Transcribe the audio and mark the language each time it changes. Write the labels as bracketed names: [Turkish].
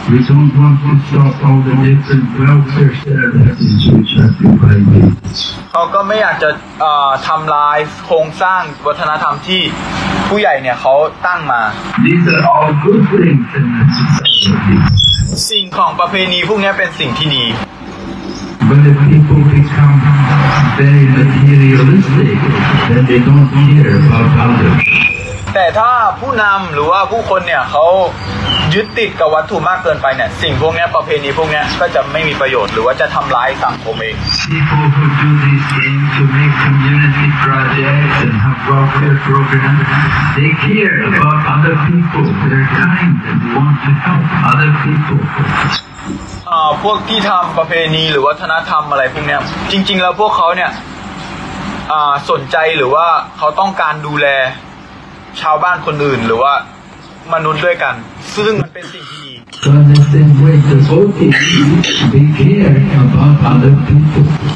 [English] We don't want to stop all the different welfare services which are provided. He doesn't want to destroy the structure that the big people have established. These are all good things in the society. [Thai] สิ่งของประเพณีพวกนี้เป็นสิ่งที่ดี [English] But if people become very materialistic, then they don't care about others. [Thai] แต่ถ้าผู้นำหรือว่าผู้คนเนี่ยเขายึดติดกับวัตถุมากเกินไปเนี่ยสิ่งพวกนี้ประเพณีพวกนี้ก็จะไม่มีประโยชน์หรือว่าจะทำร้ายสังคมเอง [English] People who do these things to make community projects and have welfare programs, they care about other people. They're kind and want to help other people. [Thai] พวกที่ทำประเพณีหรือวัฒนธรรมอะไรพวกนี้จริงๆแล้วพวกเขาเนี่ยสนใจหรือว่าเขาต้องการดูแลชาวบ้านคนอื่นหรือว่ามนุษย์ด้วยกันซึ่งมันเป็นสิ่งที่ดี [English] The same way the devotees they care about other people